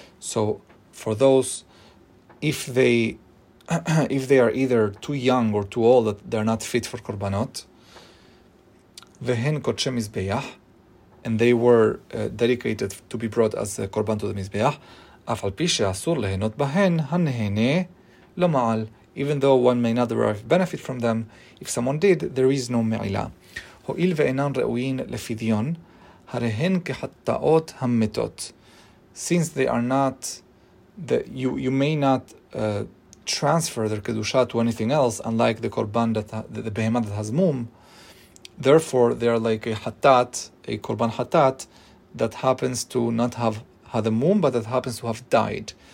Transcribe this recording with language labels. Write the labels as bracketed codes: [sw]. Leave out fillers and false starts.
[en] So for those, if they are either too young or too old, that they're not fit for korbanot, [he] vehen kodshe mizbeach, [en] and they were dedicated to be brought as a korban to the mizbeach, [he] אף על פי שאסור להנות בהן, הנהנה לא מעל. [en] Even though one may not derive benefit from them, if someone did, there is no מעילה. [he] הועיל ואינן ראויין לפדיון, הרי הן כחטאות המתות. [en] Since they are not, you may not transfer their קדושה to anything else, unlike the קורבן, the behemah that has mum, therefore they are like a קורבן חטאת, that happens to not have had a mum, but that happens to have died.